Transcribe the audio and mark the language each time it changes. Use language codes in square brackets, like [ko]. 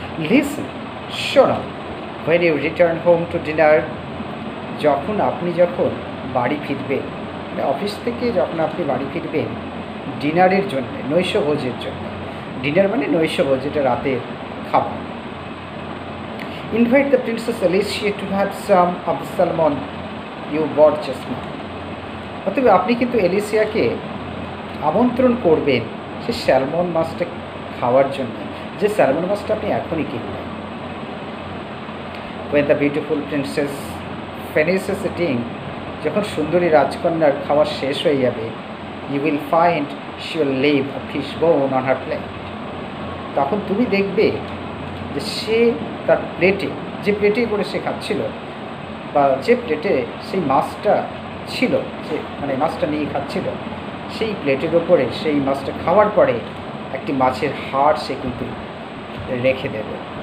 [bn] Listen, শোনো, [en] when you return home to dinner, [bn] যখন আপনি যখন বাড়ি ফিরবেন মানে অফিস থেকে যখন আপনি বাড়ি ফিরবেন ডিনারের জন্য, নৈশ ভোজের জন্য, ডিনার মানে নৈশ ভোজ, এটা রাতের খাবার। [en] Invite the Princess Alicia to have some of the salmon you bought just now. [bn] অতএব আপনি কিন্তু এলিসিয়াকে আমন্ত্রণ করবেন সে স্যালমন মাছটা খাওয়ার জন্য, যে স্যালমন মাছটা আপনি এখনই কিনবেন। [en] When the beautiful princess finishes eating, [bn] যখন সুন্দরী রাজকন্যার খাওয়ার শেষ হয়ে যাবে, [en] you will find she will leave a fish bone on her plate. [bn] তখন তুমি দেখবে যে সে তার প্লেটে, যে প্লেটে করে সে খাচ্ছিল বা যে প্লেটে সেই মাছটা ছিল, সে মানে মাছটা নিয়ে খাচ্ছিল, সেই প্লেটের ওপরে সেই মাছটা খাওয়ার পরে একটি মাছের হাড় সে কিন্তু রেখে দেবে।